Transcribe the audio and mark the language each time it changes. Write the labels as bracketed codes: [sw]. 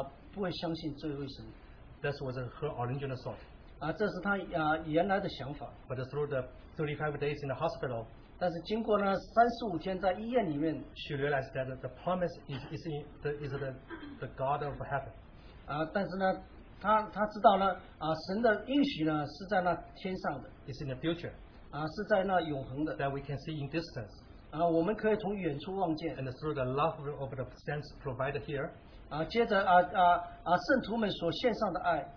[zh] 她说呢，如果呢，神不能拯救呢，李根呢，我们就不医治李根呢，我们就不会相信这位神。 [en] That was her original thought. [zh] 这是她原来的想法。 [en] But through the 35 days in the hospital, [zh] 但是经过呢35天在医院里面, [en] she realized that the promise is the God of heaven. [zh] 但是呢。他知道呢，神的应许呢是在那天上的 [en] ，is in the future， [zh] 是在那永恒的 [en] ，that we can see in distance， [zh] 我们可以从远处望见 [en] ，and through the love of the saints provided here， [zh] 接着圣徒们所献上的爱